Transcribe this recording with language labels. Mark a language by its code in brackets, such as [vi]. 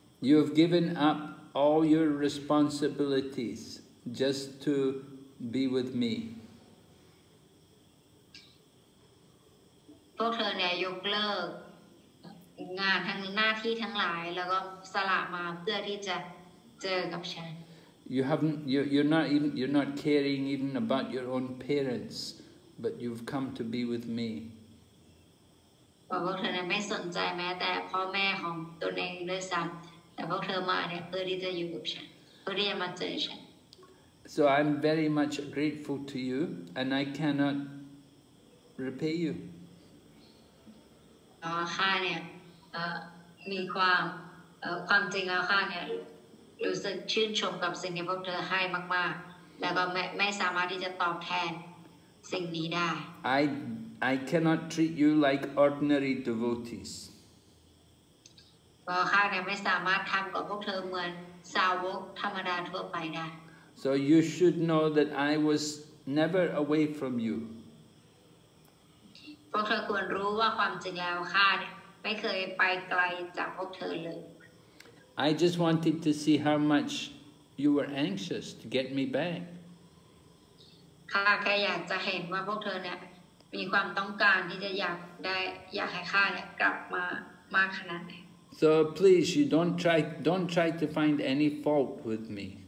[en] You have given up all your responsibilities just to be with me. [th] พวกเธอเนี่ยยกเลิกงานทั้งหน้าที่ทั้งหลายแล้วก็สละมาเพื่อที่จะเจอกับฉัน [en] You're not caring even about your own parents, but you've come to be with me. [th] พวกเธอเนี่ยไม่สนใจแม้แต่พ่อแม่ของตนเองด้วยซ้ำแต่พวกเธอมาเนี่ยเพื่อที่จะอยู่กับฉันเพื่อที่จะมาเจอฉัน [en] So I'm very much grateful to you and I cannot repay you [th] ข้าเนี่ยมีความจริงแล้วข้าเนี่ยรู้สึกชื่นชมกับสิ่งที่พวกเธอให้มากๆแล้วก็ไม่สามารถที่จะตอบแทนสิ่งนี้ได้ [en] I cannot treat you like ordinary devotees. [th] พอข้าเนี่ยไม่สามารถทำกับพวกเธอเหมือนสาวกธรรมดาทั่วไปได้ [en] So you should know that I was never away from you [th] พวกเธอควรรู้ว่าความจริงแล้วข้าเนี่ยไม่เคยไปไกลจากพวกเธอเลย [en] I just wanted to see how much you were anxious to get me back [th] ข้าแค่อยากจะเห็นว่าพวกเธอเนี่ยมีความต้องการที่จะอยากให้ข้าเนี่ยกลับมามากขนาดไหน [en] So please, you don't try to find any fault with me.